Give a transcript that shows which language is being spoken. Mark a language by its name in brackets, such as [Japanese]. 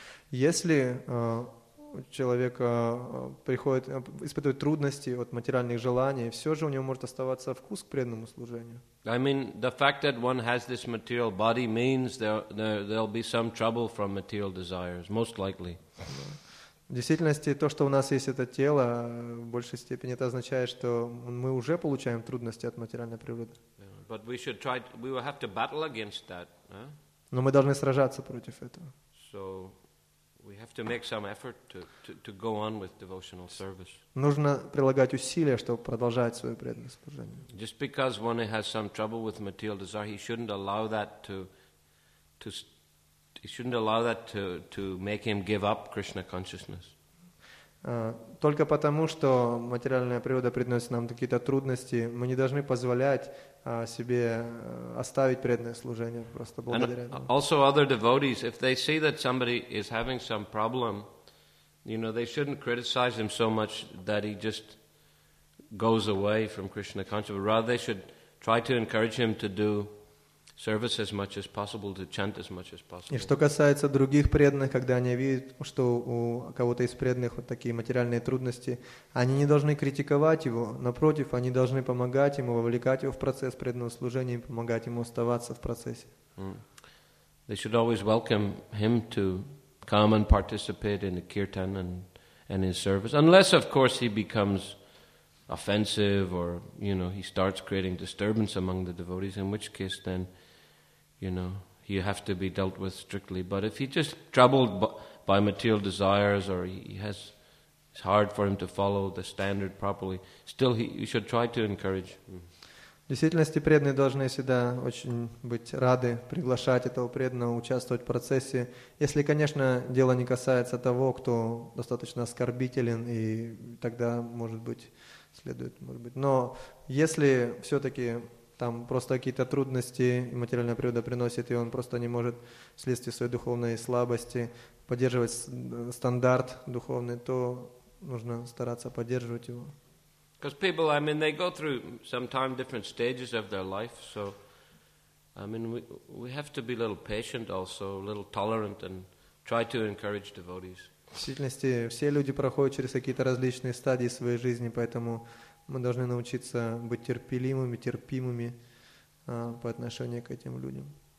[Russian] Если человек приходит испытывать трудности от материальных желаний, все же у него может оставаться вкус к преданному служению. [English] I mean, the fact that one has this material body means there'll be some trouble from material desires, most likely. [Russian] В действительности, то, что у нас есть это тело, в большей степени это означает, что мы уже получаем трудности от материальной природы. [English] But we should try. We will have to battle against that. [Russian] Но мы должны сражаться против этого. [English] So we have to make some effort to go on with devotional service. [Russian] Нужно прилагать усилия, чтобы продолжать свое преданное служение. [English] Just because one has some trouble with material desire, he shouldn't allow that to make him give up Krishna consciousness. [Russian] Только потому, что материальная природа приносит нам какие-то трудности, мы не должны позволять себе оставить преданное служение просто благодаря этому. [English] Also other devotees, if they see that somebody is having some problem, you know, they shouldn't criticize him so much that he just goes away from Krishna consciousness. Rather, they should try to encourage him to do service as much as possible, to chant as much as possible. [Russian] И что касается других преданных, когда они видят, что у кого-то из преданных вот такие материальные трудности, они не должны критиковать его, напротив, они должны помогать ему, вовлекать его в процесс преданного служения и помогать ему оставаться в процессе. [English] They should always welcome him to come and participate in the kirtan and in service, unless, of course, he becomes offensive, or, you know, he starts creating disturbance among the devotees, in which case then, you know, you have to be dealt with strictly. But if he's just troubled by material desires, or it's hard for him to follow the standard properly, still you should try to encourage. [Russian] В действительности преданные должны всегда очень быть рады приглашать этого преданного участвовать в процессе, если, конечно, дело не касается того, кто достаточно оскорбителен, и тогда, может быть, следует, может быть. Но если все-таки там просто какие-то трудности материальная природа приносит, и он просто не может вследствие своей духовной слабости поддерживать стандарт духовный, то нужно стараться поддерживать его. [English] Because people, I mean, they go through sometimes different stages of their life, so I mean, we have to be a little patient also, a little tolerant, and try to encourage devotees. [Russian] В действительности, все люди проходят через какие-то различные стадии своей жизни, поэтому мы должны научиться быть терпеливыми, терпимыми по отношению к этим людям.